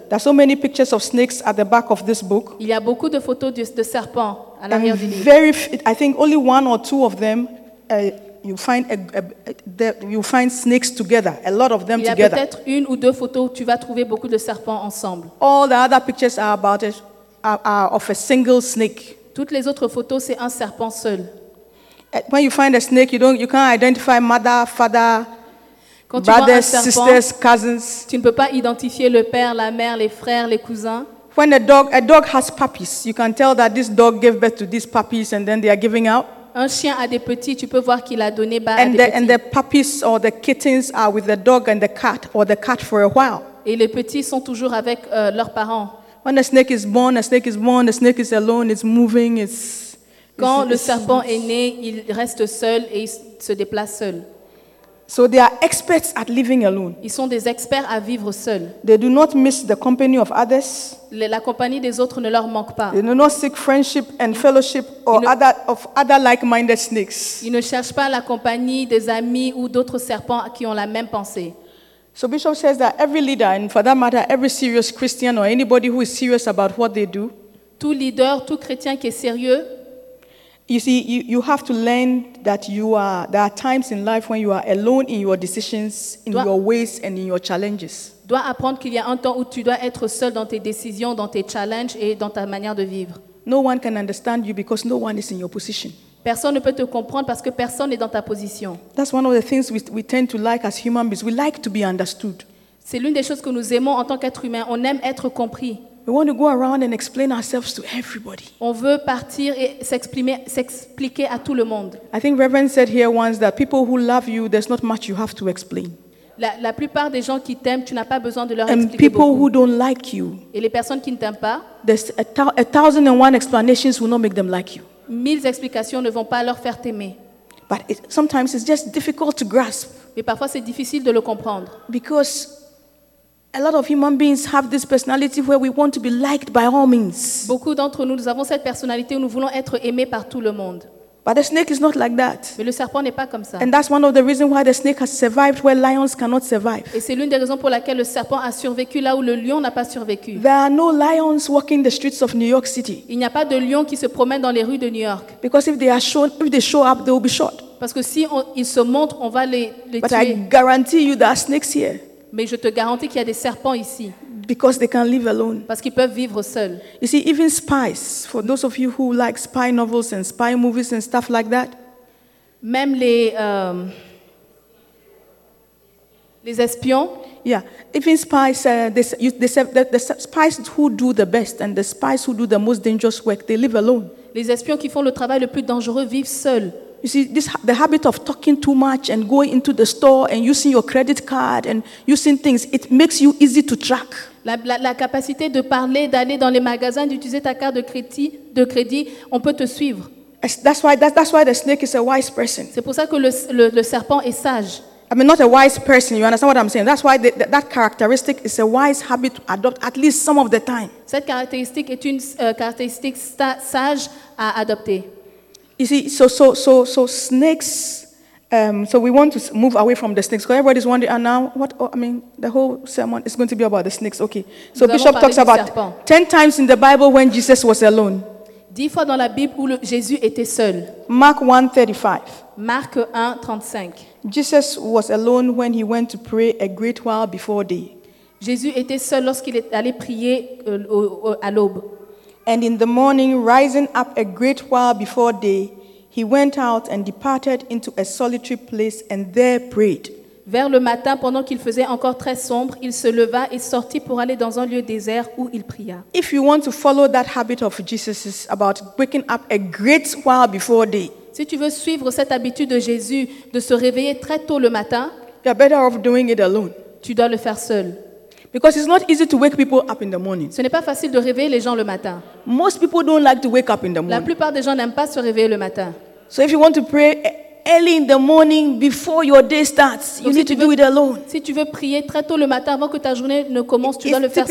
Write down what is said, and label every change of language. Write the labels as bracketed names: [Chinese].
[English] There are so many pictures of snakes at the back of this book. [French] Il y a beaucoup de photos de serpents à l'arrière du livre. [English] Very, I think only one or two of them You find snakes together, a lot of them together. [French] Il y a peut-être une ou deux photos où tu vas trouver beaucoup de serpents ensemble. [English] All the other pictures are of a single snake. [French] Toutes les autres photos c'est un serpent seul. [English] When you find a snake, you can't identify mother, father, [French] quand [English] brothers, [French] tu vois un serpent, [English] sisters, cousins. [French] Tu ne peux pas identifier le père, la mère, les frères, les cousins. [English] When a dog has puppies, you can tell that this dog gave birth to these puppies and then they are giving out. [French] Un chien a des petits, tu peux voir qu'il a donné bas [English] and [French] à des petits. [English] And the puppies or the kittens are with the dog and the cat or the cat for a while. [French] Et les petits sont toujours avec leurs parents. [English] When a snake is born, the snake is alone, it's moving, it's. [French] Quand le serpent est né, il reste seul et il se déplace seul. [English] So they are experts at living alone. [French] Ils sont des experts à vivre seuls. [English] They do not miss the company of others. [French] La compagnie des autres ne leur manque pas. [English] They do not seek friendship and fellowship or other like-minded snakes. [French] Ils ne cherchent pas la compagnie des amis ou d'autres serpents qui ont la même pensée. [English] So Bishop says that every leader, and for that matter, every serious Christian or anybody who is serious about what they do, [French] tout leader, tout chrétien qui est sérieux, [English] you see, you have to learn that there are times in life when you are alone in your decisions, in your ways, and in your challenges. [French] Dois apprendre qu'il y a un temps où tu dois être seul dans tes décisions, dans tes challenges et dans ta manière de vivre. [English] No one can understand you because no one is in your position. [French] Personne ne peut te comprendre parce que personne n'est dans ta position. [English] That's one of the things we tend to like as human beings. We like to be understood. [French] C'est l'une des choses que nous aimons en tant qu'être humain. On aime être compris. [English] We want to go around and explain ourselves to everybody. [French] On veut partir et s'expliquer à tout le monde. [English] I think Reverend said here once that people who love you, there's not much you have to explain. [French] La plupart des gens qui t'aiment, tu n'as pas besoin de leur [English] and [French] expliquer [English] people [French] beaucoup. [English] Who don't like you, [French] et les personnes qui ne t'aiment pas, [English] there's a thousand and one explanations will not make them like you. [French] Mille explications ne vont pas leur faire t'aimer. [English] But sometimes it's just difficult to grasp. [French] Mais parfois c'est difficile de le comprendre. [English] Because a lot of human beings have this personality where we want to be liked by all means. [French] Beaucoup d'entre nous avons cette personnalité où nous voulons être aimés par tout le monde. [English] But the snake is not like that. [French] Mais le serpent n'est pas comme ça. [English] And that's one of the reasons why the snake has survived where lions cannot survive. [French] Et c'est l'une des raisons pour laquelle le serpent a survécu là où le lion n'a pas survécu. [English] There are no lions walking the streets of New York City. [French] Il n'y a pas de lions qui se promènent dans les rues de New York. [English] Because if they show up, they will be shot. [French] Parce que si ils se montrent, on va les [English] but [French] tuer. [English] But I guarantee you there are snakes here. [French] Mais je te garantis qu'il y a des serpents ici. [English] Because they can live alone. [French] Parce qu'ils peuvent vivre seuls. [English] You see, even spies, for those of you who like spy novels and spy movies and stuff like that. [French] Même les espions. [English] Yeah, even spies, the spies who do the best and the spies who do the most dangerous work, they live alone. [French] Les espions qui font le travail le plus dangereux vivent seuls. [English] You see, the habit of talking too much and going into the store and using your credit card and using things, it makes you easy to track. [French] La capacité de parler, d'aller dans les magasins, d'utiliser ta carte de crédit, on peut te suivre. [English] That's why the snake is a wise person. [French] C'est pour ça que le serpent est sage. [English] I mean, not a wise person, you understand what I'm saying? That's why that characteristic is a wise habit to adopt at least some of the time. [French] Cette caractéristique est une caractéristique sage à adopter. [English] You see, so snakes. So we want to move away from the snakes. Because everybody's wondering, and now what? Oh, I mean, the whole sermon is going to be about the snakes. Okay. So Bishop talks about 10 times in the Bible when Jesus was alone. [French] 10 fois dans la Bible où Jésus était seul. [English] Mark 1:35. Mark 1:35. Jesus was alone when he went to pray a great while before day. [French] Jésus était seul lorsqu'il est allé prier à l'aube. [English] And in the morning, rising up a great while before day, he went out and departed into a solitary place and there prayed. [French] Vers le matin, pendant qu'il faisait encore très sombre, il se leva et sortit pour aller dans un lieu désert où il pria. [English] If you want to follow that habit of Jesus's about waking up a great while before day, [French] si tu veux suivre cette habitude de Jésus de se réveiller très tôt le matin, [English] you're better off doing it alone. [French] Tu dois le faire seul. [English] Because it's not easy to wake people up in the morning. [French] Ce n'est pas facile de réveiller les gens le matin. [English] Most people don't like to wake up in the morning. [French] La plupart des gens n'aiment pas se réveiller le matin. [English] So if you want to pray early in the morning before your day starts, you need to do it alone. [French] Si tu veux prier très tôt le matin avant que ta journée ne commence, tu dois le faire seul.